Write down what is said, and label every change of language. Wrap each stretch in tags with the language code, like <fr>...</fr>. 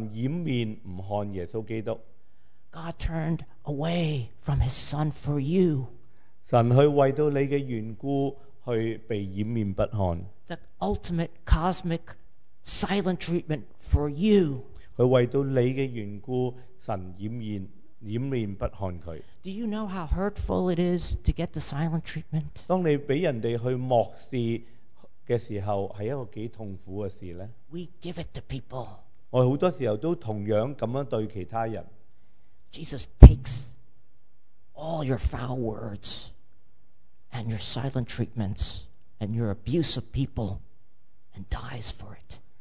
<zh>因为在十字架上的时候，神掩面不看耶稣基督。</zh> <en>God turned away from his Son for you.</en> <zh>神去为到你的缘故去被掩面不看。</zh> <en>The ultimate cosmic silent treatment for you.</en> <zh>去为到你的缘故，神掩面。</zh> <en>Do you know how hurtful it is to get the silent treatment?</en> <zh>当你被人去漠视的时候，是一个几痛苦的事呢？</zh> <en>We give it to people.</en> <zh>我很多时候都同样这样对其他人。</zh> <en>Jesus takes all your foul words and your silent treatments and your abuse of people and dies for it.</en>